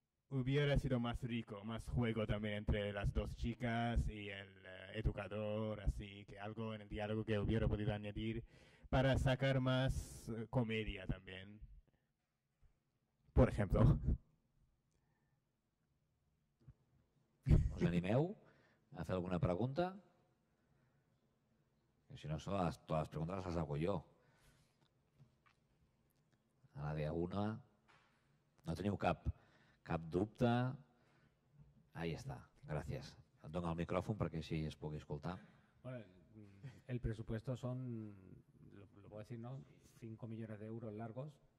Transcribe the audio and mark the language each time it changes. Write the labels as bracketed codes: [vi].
[es] Hubiera sido más rico, más juego también entre las dos chicas y el educador, así que algo en el diálogo que hubiera podido añadir para sacar más comedia también, por ejemplo. [ca] Us animeu a fer alguna pregunta? Que si no, totes les preguntes les hago jo. Ara ve una. No teniu cap dubte? Ahí està. Gràcies. Et dono el micròfon perquè així es pugui escoltar. [es] Bueno, el presupuesto son, lo puedo decir, ¿no? 5 millones de euros largos.